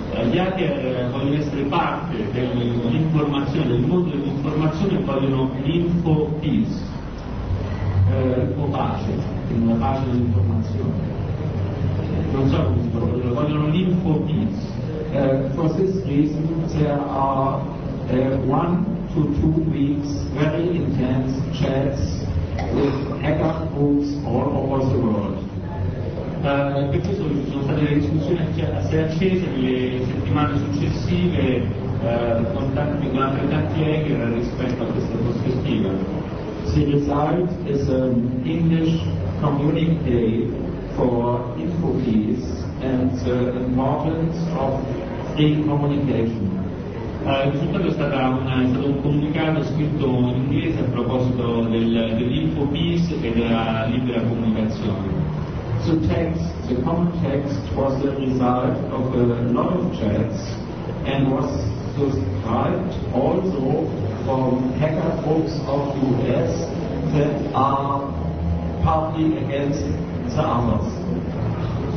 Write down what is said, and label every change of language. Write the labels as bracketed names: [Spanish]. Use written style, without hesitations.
[Italian] Gli hacker vogliono essere parte dell'informazione, del mondo dell'informazione, e vogliono info peace. O pace, in una pace dell'informazione. Non so come si può dire, vogliono l'info peace. [English] For this reason there are 1 to 2 weeks very intense chats with hacker groups all over the world. [Italian] Per questo ci sono state le discussioni assai accese nelle settimane successive con tanti hacker rispetto a questa prospettiva. [English] The result is an English communique for InfoPeace and the importance of free communication. [Italian] Il risultato è stato un comunicato scritto in inglese a proposito dell'InfoPeace e della libera comunicazione. [English] The text, the common text, was the result of a lot of chats and was described also from hacker groups of US that are partly against the others.